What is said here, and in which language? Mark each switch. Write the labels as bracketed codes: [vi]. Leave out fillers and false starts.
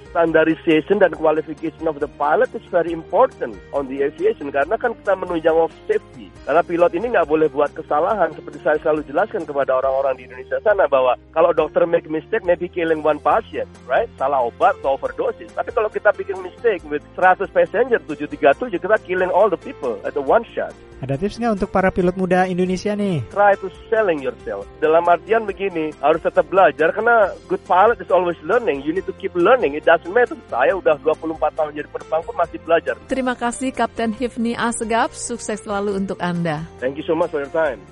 [en] Standardization dan qualification of the pilot is very important on the aviation [id] karena kan kita menunjang [en] of safety. [id] Karena pilot ini nggak boleh buat kesalahan seperti saya selalu jelaskan kepada orang-orang di Indonesia sana bahwa kalau dokter [en] make mistake, maybe killing one patient, right? [id] Salah obat atau overdosis. Tapi kalau kita bikin [en] mistake with 100 passenger, 737, kita killing all the people at the one shot. [id] Ada tips nggak untuk para pilot muda Indonesia nih? [en] Try to selling yourself. [id] Dalam artian begini, harus tetap belajar karena [en] good pilot is always learning. You need to keep learning. It doesn't matter. [id] Saya udah 24 tahun jadi penerbang pun masih belajar. Terima kasih Kapten Hifni Asgaf. Sukses selalu untuk Anda. [en] Thank you so much for your time.